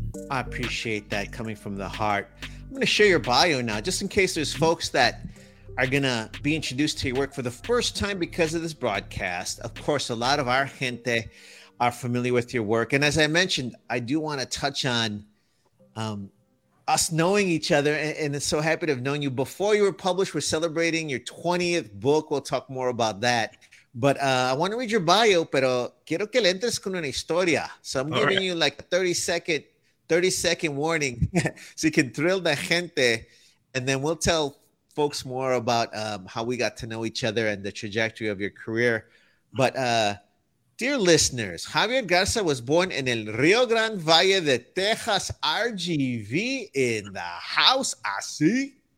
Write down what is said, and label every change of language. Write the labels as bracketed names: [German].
[English] I appreciate that coming from the heart. I'm going to share your bio now, just in case there's folks that are going to be introduced to your work for the first time because of this broadcast. Of course, a lot of our gente are familiar with your work. And as I mentioned, I do want to touch on us knowing each other and so happy to have known you before you were published. We're celebrating your 20th book. We'll talk more about that. But I want to read your bio, [Spanish] pero quiero que le entres con una historia. [English] So I'm giving you like a 30-second warning so you can thrill the gente, and then we'll tell folks more about how we got to know each other and the trajectory of your career. But dear listeners, Javier Garza was born in El Rio Grande Valle de Texas, RGV, in the house, [Spanish] así.